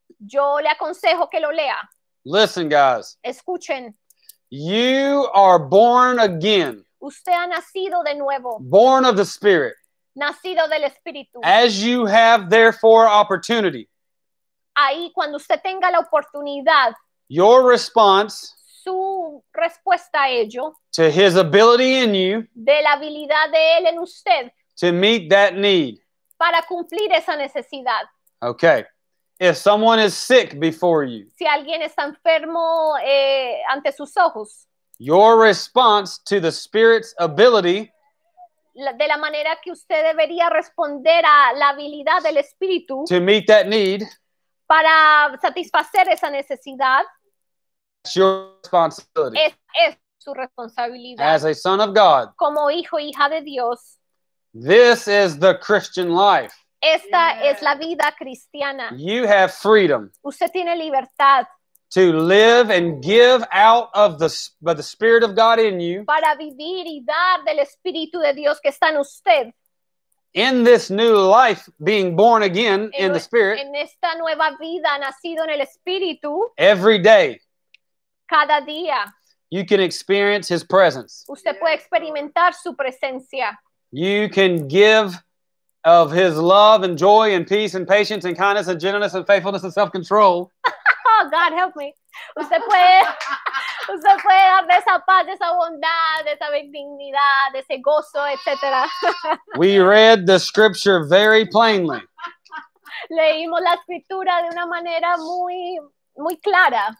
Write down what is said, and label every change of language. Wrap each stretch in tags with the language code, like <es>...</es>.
<es>Yo le aconsejo que lo lea.</es> <en>Listen, guys.</en> <es>Escuchen.</es> <en>You are born again.</en> <es>Usted ha nacido de nuevo.</es> <en>Born of the Spirit.</en> <es>Nacido del Espíritu.</es> <en>As you have therefore opportunity.</en> <es>Ahí cuando usted tenga la oportunidad.</es> <en>Your response.</en> <es>Su respuesta a ello.</es> <en>To his ability in you.</en> <es>De la habilidad de él en usted.</es> <en>To meet that need.</en> <es>Para cumplir esa necesidad.</es> <en>Okay. If someone is sick before you,</en> <es>si alguien está enfermo, ante sus ojos,</es> <en>your response to the Spirit's ability,</en> <es>de la manera que usted debería responder a la habilidad del Espíritu,</es> <en>to meet that need,</en> <es>para satisfacer esa necesidad,</es> <en>it's your responsibility.</en> <es>Es su responsabilidad.</es> <en>As a son of God,</en> <es>como hijo, hija de Dios,</es> <en>this is the Christian life.</en> <es>Esta es la vida cristiana.</es> <en>You have freedom.</en> <es>Usted tiene libertad.</es> <en>To live and give out of the Spirit of God in you.</en> <es>Para vivir y dar del Espíritu de Dios que está en usted.</es> <en>In this new life, being born again in the Spirit.</en> <es>En esta nueva vida, nacido en el Espíritu.</es> <en>Every day.</en> <es>Cada día.</es> <en>You can experience His presence.</en> <es>Usted puede experimentar su presencia.</es> <en>You can give of His love and joy and peace and patience and kindness and gentleness and faithfulness and self-control. Oh, God, help me.</en> <es>Usted puede dar de esa paz, de esa bondad, de esa benignidad, de ese gozo, etc.</es> <en>We read the scripture very plainly.</en> <es>Leímos la escritura de una manera muy, muy clara.</es>